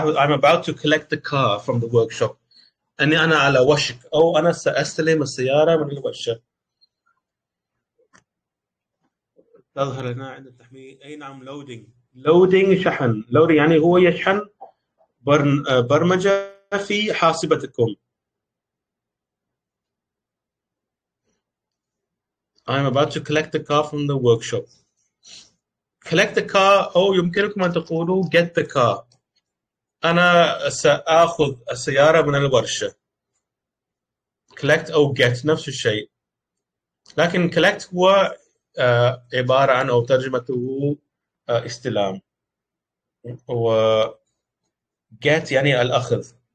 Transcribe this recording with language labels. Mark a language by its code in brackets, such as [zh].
[en] I'm about to collect the car from the workshop، [ar] أني أنا على وشك، أو أنا سأستلم السيارة من الوشة. تظهر هنا عند التحميل، أي نعم، loading، loading شحن، loading يعني هو يشحن برمجة في حاسبتكم. [en] I'm about to collect the car from the workshop. Collect the car، [ar] أو يمكنكم أن تقولوا [en] get the car. [ar] أنا سآخذ السيارة من الورشة. Collect أو get نفس الشيء، لكن collect هو عبارة عن، أو ترجمته استلام، و get يعني الأخذ.